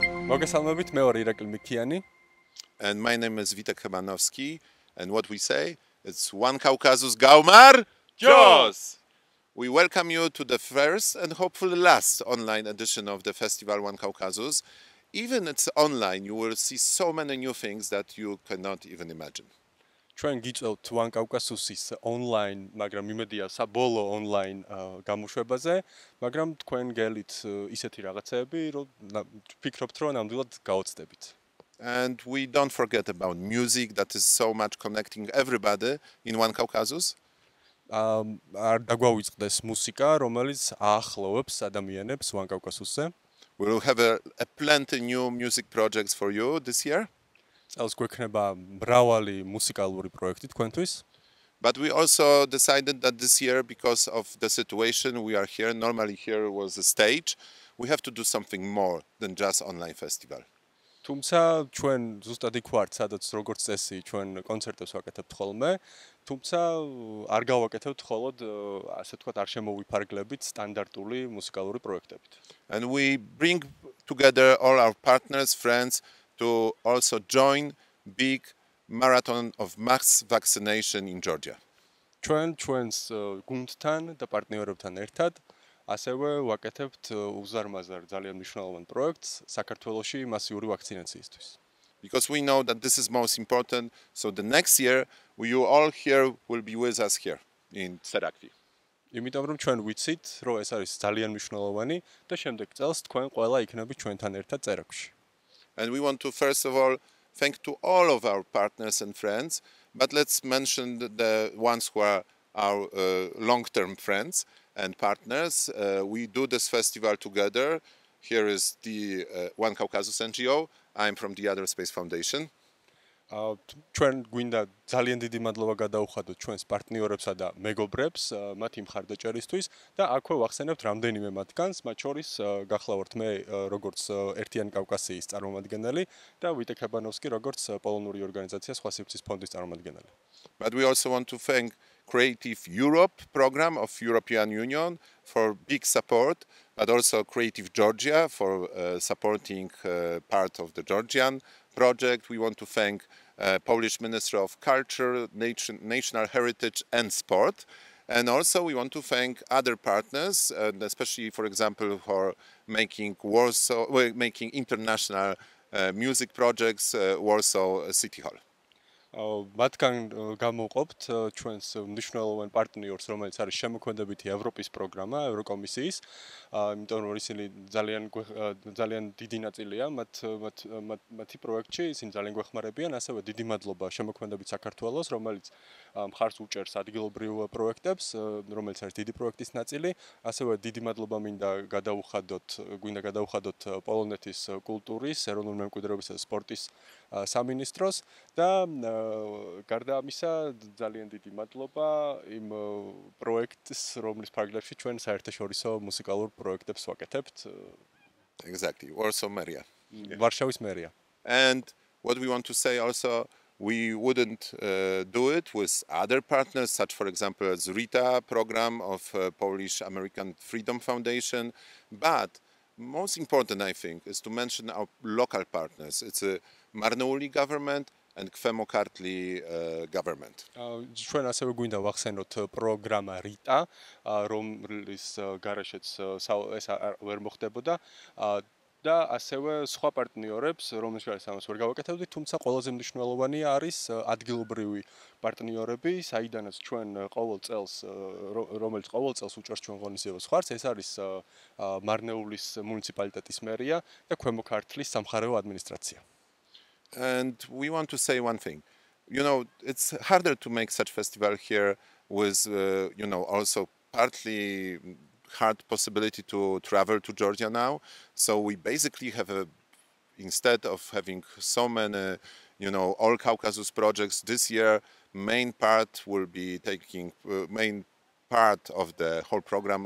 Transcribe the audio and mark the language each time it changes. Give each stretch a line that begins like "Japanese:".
Georgian: მოგესალმებით, მე ვარ ირაკლი მიქიანი.
English: And my name is Witek Hemanovsky and what we say it's one Caucasus gaumar
Georgian: jos.
English: We welcome you to the first and hopefully last online edition of the festival One Caucasus. Even it's online you will see so many new things that you cannot even imagine.
Georgian: ჩვენ გიწევთ One Caucasus-ის online, მაგრამ იმედია საბოლოო online გამოშვებაზე, მაგრამ თქვენ გელით ისეთი რაღაცები, რომ ფიქრობთ, რომ ნამდვილად გაოცდებით.
English: And we don't forget about music that is so much connecting everybody in One Caucasus.
Georgian: არ დაგვაუწყდეს მუსიკა, რომელიც აახლოვებს ადამიანებს One Caucasus-ზე.
English: We will have a plenty new music projects for you this year.
Georgian: Წელს გვექნება მრავალი მუსიკალური პროექტი თქვენთვის.
English: But we also decided that this year because of the situation we are here, normally here was a stage, we have to do something more than just online festival.
Georgian: თუმცა ჩვენ ზუსტად იქ ვართ, სადაც როგორც წესი ჩვენ კონცერტებს ვაკეთებთ ხოლმე, თუმცა არ გავაკეთებთ ხოლოდ ასე თქვა არ შემოვიფარგლებით სტანდარტული მუსიკალური პროექტებით.
English: And we bring together all our partners, friends to also join big marathon of mass vaccination in Georgia.
Georgian: ჩვენს გუნდთან და პარტნიორებთან ერთად ასევე ვაკეთებთ უზარმაზარ ძალიან მნიშვნელოვან პროექტს საქართველოში მასიური ვაქცინაციისთვის.
English: Because we know that this is most important, so the next year you all here will be with us here in Tserakvi.
Georgian: იმიტომ რომ ჩვენ ვიცით, რომ ეს არის ძალიან მნიშვნელოვანი და შემდეგ წელს თქვენ ყველა იქნებით ჩვენთან ერთად Tserakvi.
English: And we want to first of all thank to all of our partners and friends, but let's mention the ones who are our long-term friends and partners. We do this festival together. Here is the One Caucasus NGO. I'm from the Other Space Foundation.
Georgian: ჩვენ გვინდა ძალიან დიდი მადლობა გადაუხადოთ ჩვენს პარტნიორებსა და მეგობრებს მათი მხარდაჭერისთვის და აქვე ვახსენებთ რამდენიმე მათგანს, მათ შორის გახლავართ მე როგორც ერთიანი კავკასიის წარმომადგენელი და ვიტეკ ჰებანოვსკი როგორც პოლონური ორგანიზაციის სხვა სივრცის ფონდის წარმომადგენელი.
English: But we also want to thank Creative Europe program of European Union for big support, but also Creative Georgia for supporting part of the Georgian project. We want to thank Polish Minister of Culture, National Heritage and Sport. And also we want to thank other partners, and especially, for example, for making Warsaw, making international music projects, Warsaw City Hall.
Georgian: მათგან გამოყოფთ ჩვენს მნიშვნელოვან პარტნიორს, რომელიც არის შემოქმედებითი ევროპის პროგრამა ევროკომისიის, იმიტომ რომ ისინი ძალიან დიდი ნაწილია მათი პროექტში, ისინი ძალიან გვეხმარებიან, ასევე დიდი მადლობა შემოქმედებით საქართველოს, რომელიც მხარს უჭერს ადგილობრივ პროექტებს, რომელიც არის დიდი პროექტის ნაწილი, ასევე დიდი მადლობა გვინდა გადაუხადოთ პოლონეთის კულტურის, ეროვნული მემკვიდრეობისა და სპორტის სამინისტროს და გარდა ამისა ძალიან დიდი მადლობა იმ პროექტს, რომლის ფარგლებში ჩვენ საერთაშორისო მუსიკალურ პროექტებს ვაკეთებთ.
English: Exactly. Warsaw Maria.
Georgian: Варшавის მერია.
English: And what we want to say also, we wouldn't do it with other partners such for example as Rita program of Polish American Freedom Foundation, but most important I think is to mention our local partners. It's a Marneuli government and Kvemokartli government.
Georgian: ჩვენ ასევე გვინდა ვახსენოთ პროგრამა Rita, რომლის გარაშეც ეს ვერ მოხდებოდა და ასევე სხვა პარტნიორებს, რომლის გარაშეც ამას ვერ გავაკეთებდი, თუმცა ყველაზე მნიშვნელოვანი არის ადგილობრივი პარტნიორები, საიდანაც ჩვენ ყოველ წელს, რომელიც ყოველ წელს უჭერს ჩვენ ღონისძიებას ხარც, ეს არის მარნეულის მუნიციპალიტეტის მერია და Kvemokartlis სამხარეო ადმინისტრაცია.
English: And we want to say one thing. You know, it's harder to make such festival here with you know, also partly hard possibility to travel to Georgia now. So we basically have instead of having so many, you know, all Caucasus projects this year, main part will be taking main part of the whole program.